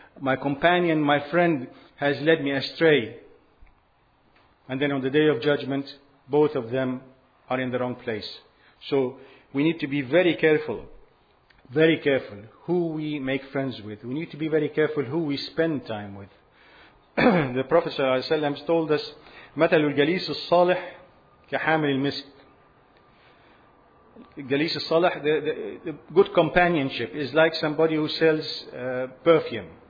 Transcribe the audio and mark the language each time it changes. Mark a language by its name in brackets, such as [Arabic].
[English] My companion, my friend has led me astray. And then on the day of judgment, both of them are in the wrong place. So we need to be very careful. Very careful who we make friends with. We need to be very careful who we spend time with. The Prophet ﷺ told us, [Arabic] مثل الجليس الصالح كحامل المسك. الجليس الصالح, [English] the good companionship is like somebody who sells perfume.